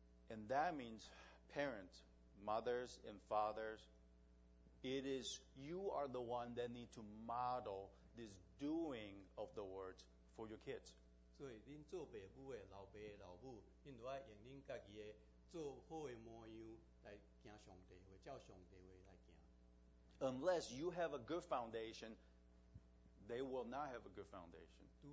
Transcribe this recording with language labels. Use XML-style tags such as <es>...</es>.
<en>And that means parents, mothers and fathers, it is you are the one that need to model this doing of the words for your kids.</en> <nan>所以您做父母的老爸老母，您都要用您自己的做好的模样来行上帝话，照上帝话来行。</nan> <en>Unless you have a good foundation, they will not have a good foundation.</en>